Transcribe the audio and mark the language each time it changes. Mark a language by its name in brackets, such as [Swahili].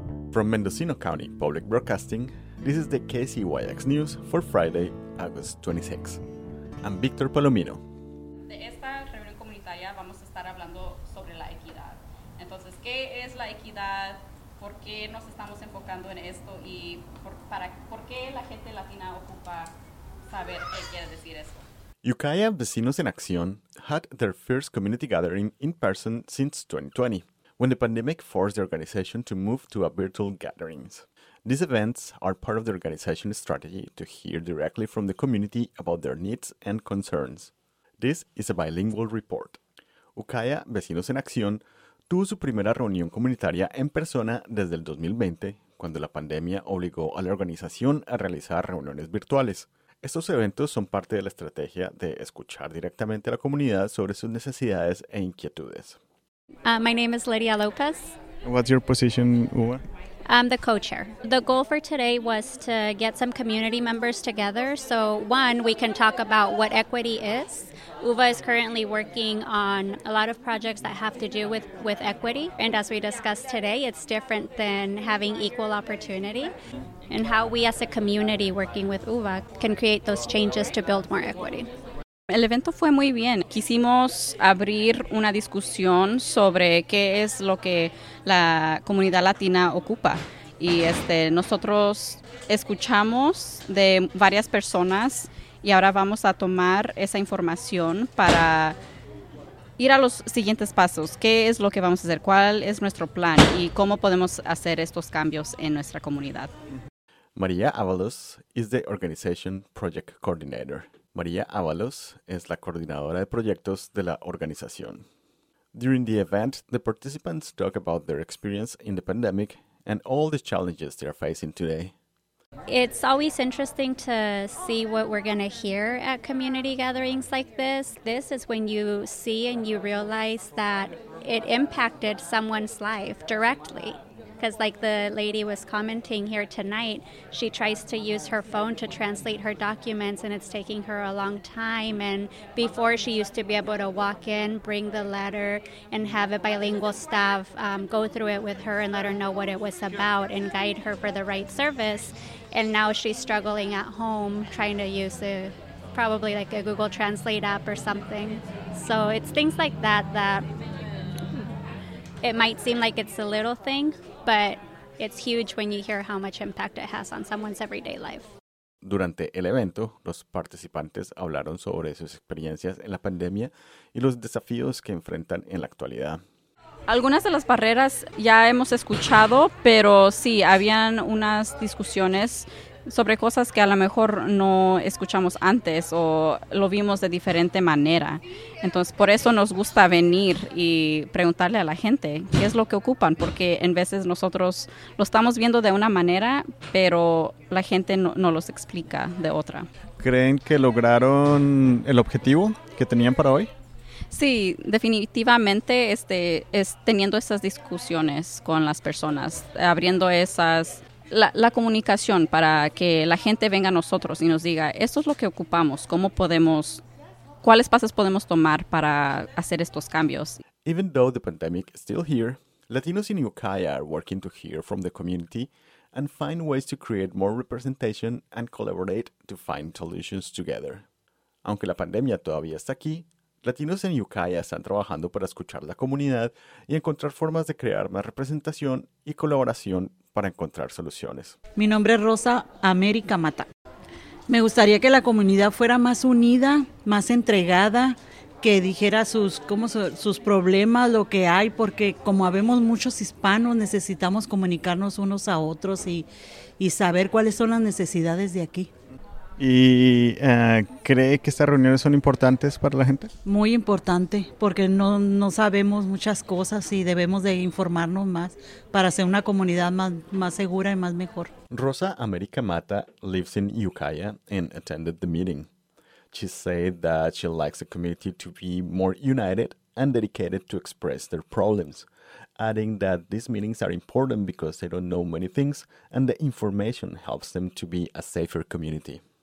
[English] From Mendocino County Public Broadcasting, this is the KCYX News for Friday, August 26. I'm Victor Palomino. [Spanish] De esta reunión comunitaria vamos a estar hablando sobre la equidad. Entonces, ¿qué es la equidad? ¿Por qué nos estamos enfocando en esto? Y por qué la gente latina ocupa saber qué quiere decir eso? [English] Ukiah Vecinos en Acción had their first community gathering in person since 2020, when the pandemic forced the organization to move to a virtual gatherings. These events are part of the organization's strategy to hear directly from the community about their needs and concerns. This is a bilingual report. [Spanish] Ukiah Vecinos en Acción tuvo su primera reunión comunitaria en persona desde el 2020, cuando la pandemia obligó a la organización a realizar reuniones virtuales. Estos eventos son parte de la estrategia de escuchar directamente a la comunidad sobre sus necesidades e inquietudes. [English] My name is Lydia Lopez. What's your position, Uwe? I'm the co-chair. The goal for today was to get some community members together. So one, we can talk about what equity is. Uwe is currently working on a lot of projects that have to do with equity. And as we discussed today, it's different than having equal opportunity. And how we as a community working with Uwe can create those changes to build more equity. [Spanish] El evento fue muy bien. Quisimos abrir una discusión sobre qué es lo que la comunidad latina ocupa. Y nosotros escuchamos de varias personas y ahora vamos a tomar esa información para ir a los siguientes pasos. ¿Qué es lo que vamos a hacer? ¿Cuál es nuestro plan? ¿Y cómo podemos hacer estos cambios en nuestra comunidad? [English] María Ábalos is the organization project coordinator. [Spanish] María Ábalos es la coordinadora de proyectos de la organización. [English] During the event, the participants talk about their experience in the pandemic and all the challenges they are facing today. It's always interesting to see what we're going to hear at community gatherings like this. This is when you see and you realize that it impacted someone's life directly. Because like the lady was commenting here tonight, she tries to use her phone to translate her documents and it's taking her a long time. And before she used to be able to walk in, bring the letter and have a bilingual staff go through it with her and let her know what it was about and guide her for the right service. And now she's struggling at home trying to use probably a Google Translate app or something. So it's things like that it might seem like it's a little thing, but it's huge when you hear how much impact it has on someone's everyday life. [Spanish] Durante el evento, los participantes hablaron sobre sus experiencias en la pandemia y los desafíos que enfrentan en la actualidad. Algunas de las barreras ya hemos escuchado, pero sí, habían unas discusiones sobre cosas que a lo mejor no escuchamos antes o lo vimos de diferente manera. Entonces, por eso nos gusta venir y preguntarle a la gente qué es lo que ocupan, porque en veces nosotros lo estamos viendo de una manera, pero la gente no los explica de otra. ¿Creen que lograron el objetivo que tenían para hoy? Sí, definitivamente es teniendo esas discusiones con las personas, abriendo esas... La comunicación para que la gente venga a nosotros y nos diga, esto es lo que ocupamos, cómo podemos, cuáles pasos podemos tomar para hacer estos cambios. [English] Even though the pandemic is still here, Latinos in Ukiah are working to hear from the community and find ways to create more representation and collaborate to find solutions together. [Spanish] Aunque la pandemia todavía está aquí, Latinos en Ukiah están trabajando para escuchar la comunidad y encontrar formas de crear más representación y colaboración para encontrar soluciones. Mi nombre es Rosa América Mata. Me gustaría que la comunidad fuera más unida, más entregada, que dijera sus problemas, lo que hay, porque como habemos muchos hispanos, necesitamos comunicarnos unos a otros y saber cuáles son las necesidades de aquí. ¿Y cree que estas reuniones son importantes para la gente? Muy importante, porque no sabemos muchas cosas y debemos de informarnos más para hacer una comunidad más segura y más mejor. [English] Rosa América Mata lives in Ukiah and attended the meeting. She said that she likes the community to be more united and dedicated to express their problems, adding that these meetings are important because they don't know many things and the information helps them to be a safer community.